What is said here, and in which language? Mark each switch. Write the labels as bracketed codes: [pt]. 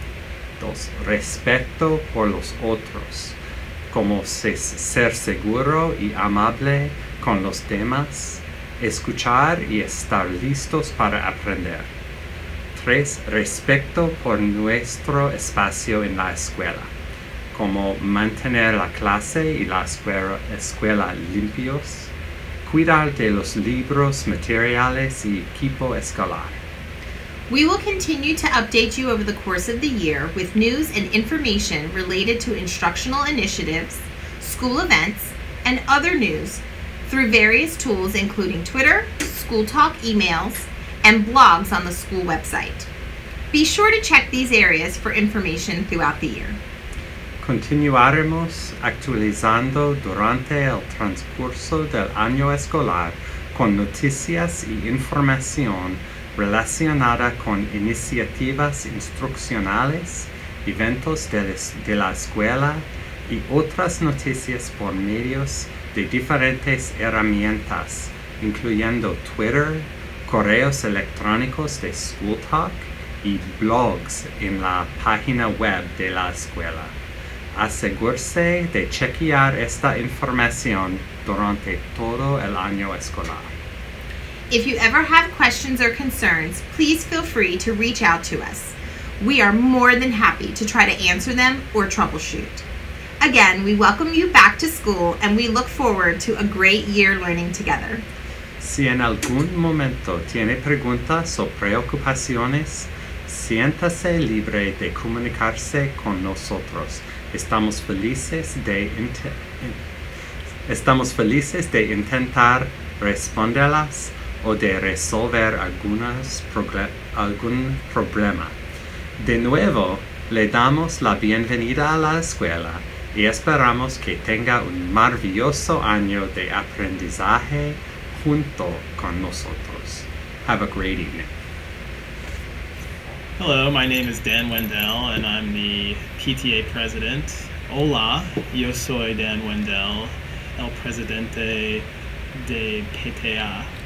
[es] correctos, respeto por los otros, como ser seguro y amable con los demás, escuchar y estar listos para aprender. 3. Respeto por nuestro espacio en la escuela, como mantener la clase y la escuela limpios, cuidar de los libros, materiales y equipo escolar. [en] We will continue to update you over the course of the year with news and information related to instructional initiatives, school events, and other news through various tools including Twitter, school talk emails, and blogs on the school website. Be sure to check these areas for information throughout the year. [es] Continuaremos actualizando durante el transcurso del año escolar con noticias y información relacionada con iniciativas instruccionales, eventos de la escuela y otras noticias por medios de diferentes herramientas, incluyendo Twitter, correos electrónicos de SchoolTalk y blogs en la página web de la escuela. Asegúrese de chequear esta información durante todo el año escolar. [en] If you ever have questions or concerns, please feel free to reach out to us. We are more than happy to try to answer them or troubleshoot. Again, we welcome you back to school and we look forward to a great year learning together. [es] Si en algún momento tiene preguntas o preocupaciones, siéntase libre de comunicarse con nosotros. Estamos felices de intentar responderlas o de resolver algún problema. De nuevo, le damos la bienvenida a la escuela y esperamos que tenga un maravilloso año de aprendizaje junto con nosotros. [en] Have a great evening. Hello, my name is Dan Wendell, and I'm the PTA president. [es] Hola, yo soy Dan Wendell, el presidente de PTA.